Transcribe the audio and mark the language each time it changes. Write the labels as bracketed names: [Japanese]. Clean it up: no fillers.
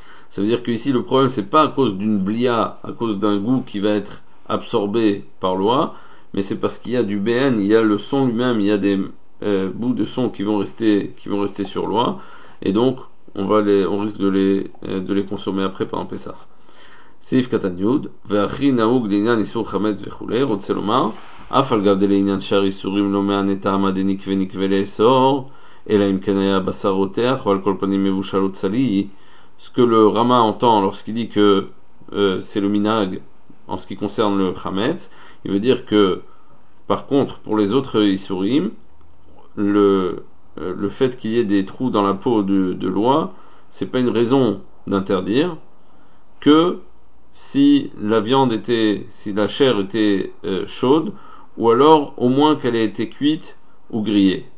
[French] Ça veut dire qu'ici le problème c'est pas à cause d'une blia, à cause d'un goût qui va être absorbé par l'oie, mais c'est parce qu'il y a du BN, il y a le son lui-même, il y a des bouts de son qui vont rester sur l'oie, et donc on risque de les consommer après pendant Pessah. [Hebrew] סעיף קטן יוד, והכי נהוג לעניין איסור חמץ וכו', רוצה לומר, אף על גב דלעניין שאר איסורים לא מענה טעמא דנקווה נקווה לאסור, אלא אם כן היה בשר רותח, או על כל פנים מבושל או צלי. [French] Ce que le Rama entend lorsqu'il dit que c'est le minag en ce qui concerne le chametz, il veut dire que, par contre, pour les autres issurim, le fait qu'il y ait des trous dans la peau de l'oie, c'est pas une raison d'interdire que si la chair était chaude, ou alors au moins qu'elle ait été cuite ou grillée.